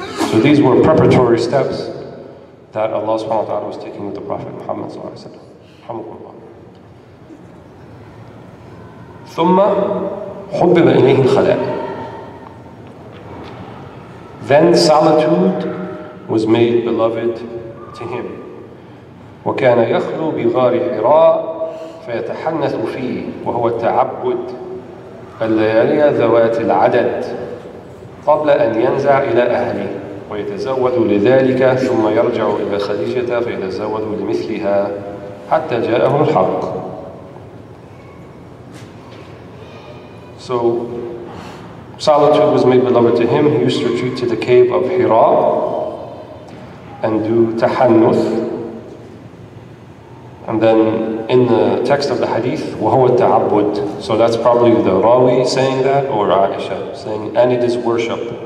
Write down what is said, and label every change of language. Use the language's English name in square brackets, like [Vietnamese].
[English] So these were preparatory steps that Allah subhanahu wa ta'ala was taking with the Prophet Muhammad sallallahu alayhi wa sallam. [Arabic] ثُمَّ حُبِّبَ إِلَيْهِ الْخَلَاءِ. [English] Then solitude was made beloved to him. [Arabic] وَكَانَ يَخْلُو بِغَارِ حِرَاءِ فَيَتَحَنَّثُ فِيهِ وَهُوَ التَّعَبُّدِ الْلَيَالِيَ ذَوَاتِ الْعَدَدِ قَبْلَ أَنْ يَنْزَعْ إِلَى أَهْلِهِ ويتزود لذلك ثم يرجع إلى خديجة فيتزود لمثلها حتى جاءه الحق. [English] So solitude was made beloved to him. He used to retreat to the cave of Hira and do tahannuth. And then in the text of the hadith, [Arabic] وَهُوَ التَّعَبُّدُ. [English] So that's probably the Rawi saying that, or Aisha saying, and it is worship.